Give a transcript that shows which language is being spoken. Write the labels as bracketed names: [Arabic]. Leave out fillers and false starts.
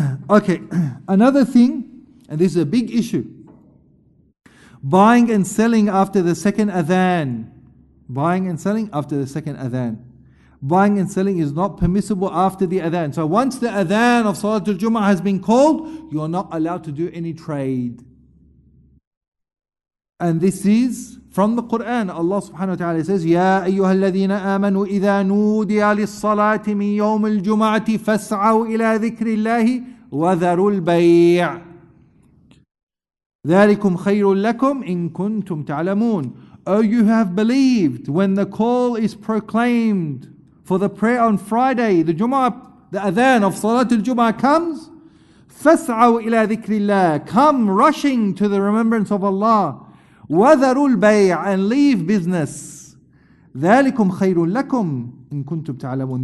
[English] Okay, another thing, and this is a big issue, buying and selling after the second adhan. Buying and selling after the second adhan. Buying and selling is not permissible after the adhan. So once the adhan of Salatul Jummah has been called, you are not allowed to do any trade. And this is from the Quran. Allah subhanahu wa ta'ala says, [Arabic] يَا أَيُّهَا الَّذِينَ آمَنُوا إِذَا نُودِيَ لِلصَّلَاةِ مِنْ يَوْمِ الْجُمَعَةِ فَاسْعَوْا إِلَىٰ ذِكْرِ اللَّهِ وَذَرُوا الْبَيْعِ ذَلِكُمْ خَيْرٌ لَكُمْ إِن كُنْتُمْ تَعْلَمُونَ. [English] Oh, you have believed when the call is proclaimed for the prayer on Friday, the Jumu'ah, the adhan of Salatul Jumu'ah comes. [Arabic] فَاسْعَوْا إِلَىٰ ذِكْرِ اللَّهِ. [English] Come rushing to the remembrance of Allah. [Arabic] وَذَرُوا الْبَيْعِ. [English] And leave business. [Arabic] ذَلِكُمْ خَيْرٌ لَكُمْ إِن كُنْتُمْ تَعْلَمُونَ.